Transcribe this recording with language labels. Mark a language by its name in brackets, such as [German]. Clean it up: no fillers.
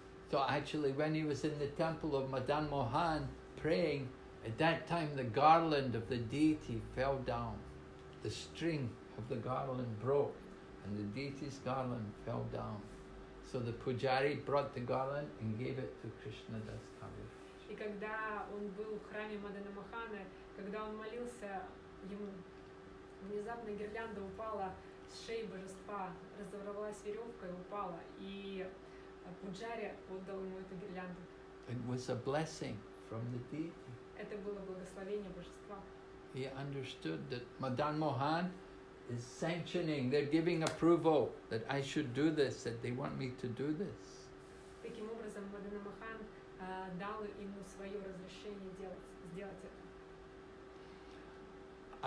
[English] So actually, when he was in the temple of Madan Mohan praying, at that time the garland of the deity fell down. The string of the garland broke and the deity's garland fell down. So the pujari brought the garland and gave it to Krishna Das Kaviraj. [Russian] И когда он был в храме Мадана Мохана, когда он молился, ему внезапно гирлянда упала. С шеи божества разорвалась веревка и упала, и пуджари отдал ему эту гирлянду. [English] It was a blessing from the deity. [Russian] Это было благословение божества. [English] He understood that Madan Mohan is sanctioning, they're giving approval that I should do this, that they want me to do this. [Russian] Таким образом, Мадана Мохан дал ему свое разрешение сделать это.